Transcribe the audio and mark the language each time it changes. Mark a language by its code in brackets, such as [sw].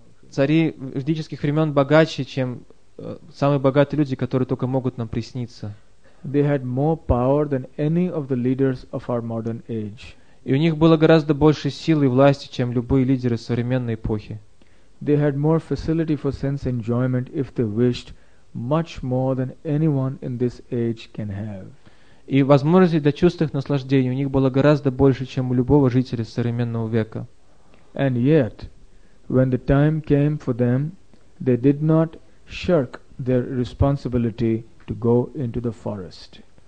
[ru] Цари ведических времен богаче, чем самые богатые люди, которые только могут нам присниться. [en] They had more power than any of the leaders of our modern age. [ru] И у них было гораздо больше силы и власти, чем любые лидеры современной эпохи. [en] They had more facility for sense enjoyment if they wished, much more than anyone in this age can have. [ru] И возможности для чувственных наслаждений у них было гораздо больше, чем у любого жителя современного века. [en] And yet, when the time came for them, they did not shirk their responsibility to go into the forest.